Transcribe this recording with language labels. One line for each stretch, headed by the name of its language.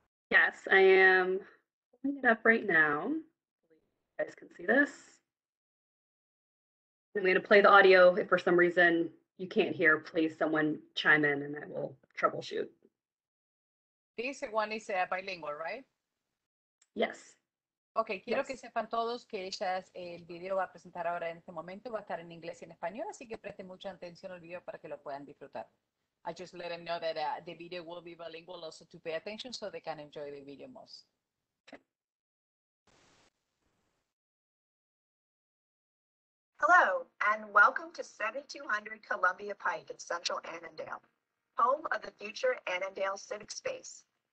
English: Yes, I am pulling it up right now. You guys can see this. I'm going to play the audio. If for some reason you can't hear, please someone chime in and I will troubleshoot. This one is bilingual, right? Yes.
Spanish: Okay, quiero que sepan todos que ellas, el video va a presentar ahora en este momento, va a estar en inglés y en español, así que presten mucha atención al video para que lo puedan disfrutar.
English: I just let them know that the video will be bilingual also to pay attention so they can enjoy the video most. Hello, and welcome to 7200 Columbia Pike in Central Annandale, home of the future Annandale Civic Space.